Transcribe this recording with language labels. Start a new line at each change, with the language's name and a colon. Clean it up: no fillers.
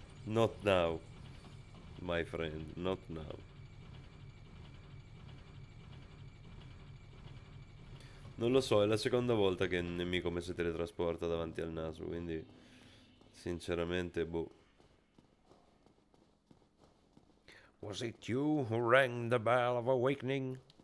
English: Not now, my friend, not now.
Italian: Non lo so, è la seconda volta che un nemico mi si teletrasporta davanti al naso, quindi sinceramente boh.
English: Was it you who rang the bell of awakening?